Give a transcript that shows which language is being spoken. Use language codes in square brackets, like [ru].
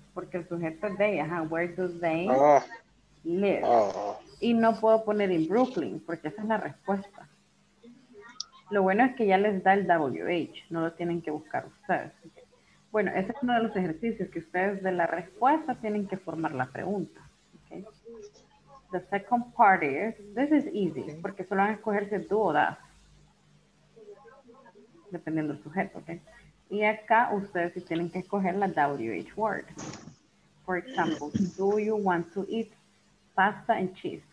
[es] Porque el sujeto es they, ajá. [en] Where do they live? [es] Y no puedo poner [en] in Brooklyn, [es] porque esa es la respuesta. Lo bueno es que ya les da el WH, no lo tienen que buscar ustedes. Bueno, ese es uno de los ejercicios que ustedes de la respuesta tienen que formar la pregunta. [en] Okay. The second part is, this is easy, okay. [es] Porque solo van a escogerse do o das. Dependiendo del sujeto, ok. Y acá ustedes sí tienen que escoger la WH word. [en] For example, do you want to eat pasta and cheese?